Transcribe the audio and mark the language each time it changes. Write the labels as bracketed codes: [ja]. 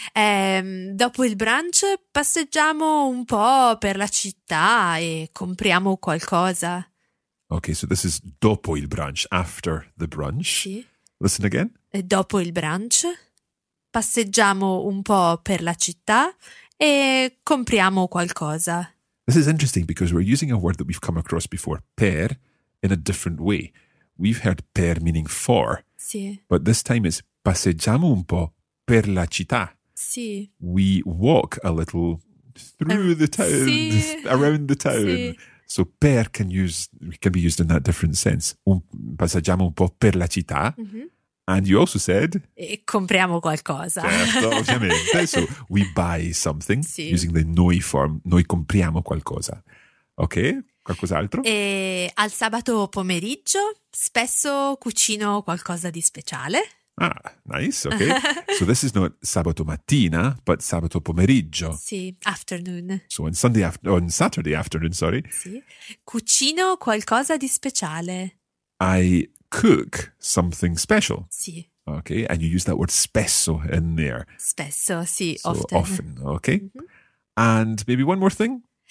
[it] Dopo il brunch passeggiamo un po' per la città e compriamo qualcosa. [en] Okay, so this is [it] dopo il brunch, [en] after the brunch. [it] Sì. [en] Listen again. [it] E dopo il brunch passeggiamo un po' per la città e compriamo qualcosa. [en] This is interesting because we're using a word that we've come across before, per, in a different way. We've heard per meaning for. [it] Sì. [en] But this time it's [it] passeggiamo un po' per la città. Sì. [en] We walk a little through the town, [it] sì. [en] Around the town. [it] Sì. [en] So per can be used in that different sense. [it] Passeggiamo un po' per la città. [en] And you also said? [it] E compriamo qualcosa. Certo, ovviamente. [en] So we buy something using the noi form. [it] Noi compriamo qualcosa. Ok, qualcos'altro? E al sabato pomeriggio spesso cucino qualcosa di speciale. [en] Ah, nice, ok. So this is not [it] sabato mattina, [en] but [it] sabato pomeriggio. Sì, afternoon. [en] So on Saturday afternoon. [it] Sì. Cucino qualcosa di speciale. [en] I cook something special. [it] Sì. [en] Ok, and you use that word spesso in there. [it] Spesso, sì, [en] so often. So often, ok. And maybe one more thing.